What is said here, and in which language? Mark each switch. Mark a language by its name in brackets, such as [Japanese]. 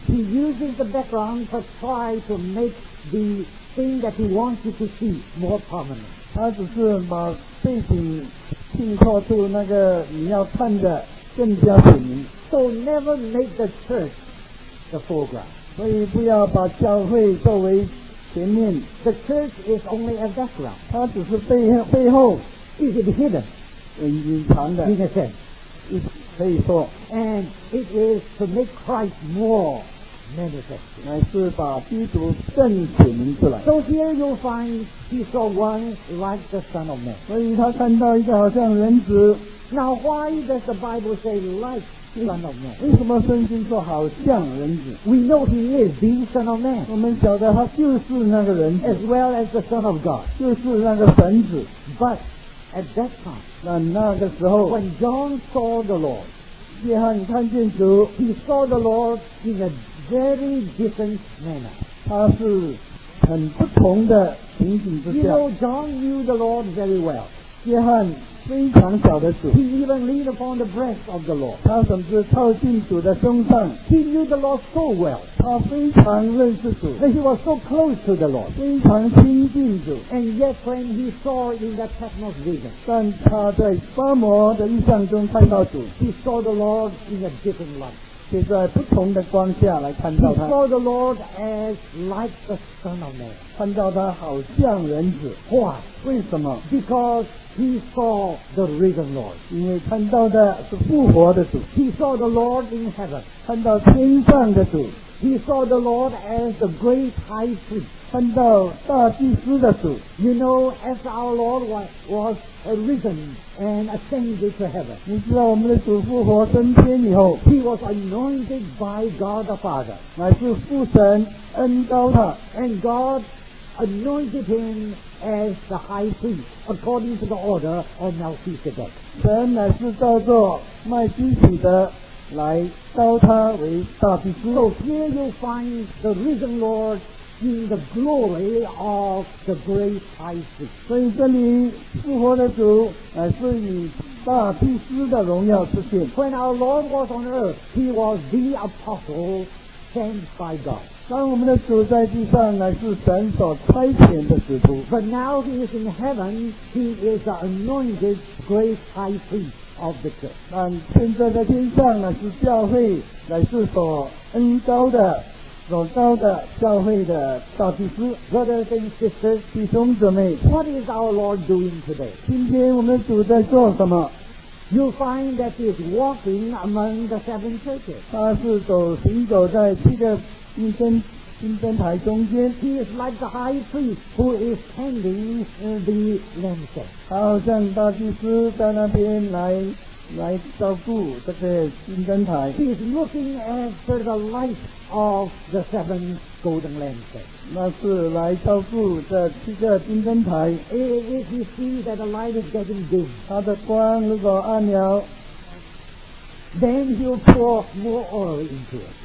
[English] He uses the background to try to make the thing that he wants you to see more prominent. [Chinese] 他只是把背景衬托出那个你要看的更加显明。 [English] So never make the church the foreground. [Chinese] 所以不要把教会作为前面 [English] The church is only a background. [Chinese] 它只是背后 [English] Is it hidden? [Chinese] 隐藏的 [English] In a sense [Chinese] 可以说 [English] And it is to make Christ more manifest [Chinese] 乃是把基督更显明出来 [English] So here you'll find he saw one like the Son of Man [Chinese] 所以他看到一个好像人子 [English] Now why does the Bible say like Son of Man. [Chinese] 为什么圣经说好像人子 [English] We know he is the Son of Man. [Chinese] 我们晓得他就是那个人子 [English] As well as the Son of God. [Chinese] 就是那个神子 [English] But at that time, [Chinese] 那个时候 [English] When John saw the Lord, [Chinese] 约翰看见主 [English] He saw the Lord in a very different manner. [Chinese] 他是很不同的情景之下 [English] You know, John knew the Lord very well. [Chinese] 约翰非常小的主 [English] He even leaned upon the breast of the Lord [Chinese] 他甚至靠近主的胸上 [English] He knew the Lord so well [Chinese] 他非常认识主 [English] And he was so close to the Lord [Chinese] 非常亲近主 [English] And yet when he saw in that Patmos vision [Chinese] 但他在巴摩的印象中看到主 [English] He saw the Lord in a different light [Chinese] 是在不同的光下来看到他。 [English] He saw the Lord as like the Son of Man. [Chinese] 看到他好像人子。 [English] Why? [Chinese] 为什么 [English] ？Because he saw the risen Lord. [Chinese] 因为看到的是复活的主。 [English] He saw the Lord in heaven. [Chinese] 看到天上的主。 [English] He saw the Lord as the great high priest. [Chinese] 看到大祭司的主。 [English] You know, as our Lord was risen and ascended to heaven. [Chinese] 你知道我们的主复活升天以后。 [English] He was anointed by God the Father. [Chinese] 乃是父神恩膏他。 [English] And God anointed him as the high priest according to the order of Melchizedek. [Chinese] 神乃是叫做麦基洗德。来招他为大祭司。 [English] So here you find the risen Lord in the glory of the great high priest. [Chinese] 所以这里复活的主乃是以大祭司的荣耀出现。 [English] When our Lord was on earth, he was the apostle sent by God. [Chinese] 当我们的主在地上乃是神所差遣的使徒。 [English] But now he is in heaven, he is the anointed great high priest. Of the church. [Chinese] 但现在在天上呢，是教会乃是所恩高的、所高的教会的大祭司。 [English] Brothers and sisters, [Chinese] 弟兄姊妹 [English] ，What is our Lord doing today? [Chinese] 今天我们主在做什么 [English] ？You find that he is walking among the seven churches. [Chinese] 他是行走在七个金灯台中间。 [English] He is like the high priest who is tending the lampstand. [Chinese] 他好像大祭司在那边来照顾这个金灯台。 [English] He is looking after the light of the seven golden lampstand. [Chinese] 那是来照顾这七个金灯台。 [English] If you see that the light is getting dim, [Chinese] 他的光如果暗了。 [English] Then he'll pour more oil into it.